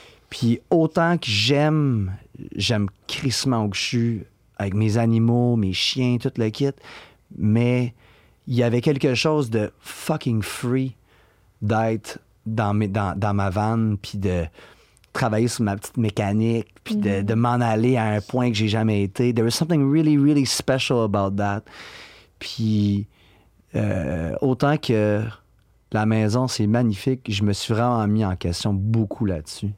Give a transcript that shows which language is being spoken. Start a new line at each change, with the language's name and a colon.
French: Puis autant que j'aime crissement où je suis, avec mes animaux, mes chiens, tout le kit, mais il y avait quelque chose de fucking free d'être dans ma van, puis de... travailler sur ma petite mécanique, puis de m'en aller à un point que j'ai jamais été.
English: There was something really, really special about that.
French: Puis autant que la maison, c'est magnifique, je me suis vraiment mis en question beaucoup là-dessus.